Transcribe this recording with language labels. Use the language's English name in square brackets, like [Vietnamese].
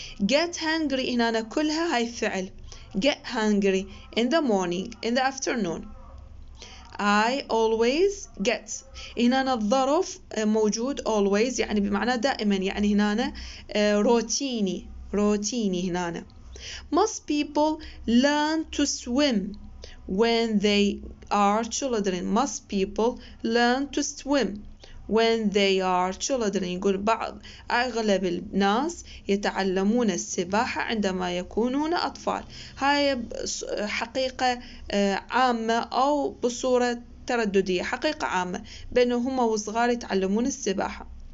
[English] get hungry [Arabic] هنا كلها هاي فعل [English] get hungry in the morning in the afternoon. I always get [Arabic] هنا الظرف موجود always يعني بمعنى دائما يعني هنا روتيني. هنا [English] most people learn to swim when they are children. Most people learn to swim when they are children. [Arabic] يقول بعض أغلب الناس يتعلمون السباحة عندما يكونون أطفال. هاي حقيقة عامة أو بصورة ترددية حقيقة عامة بأنه هم وصغار يتعلمون السباحة.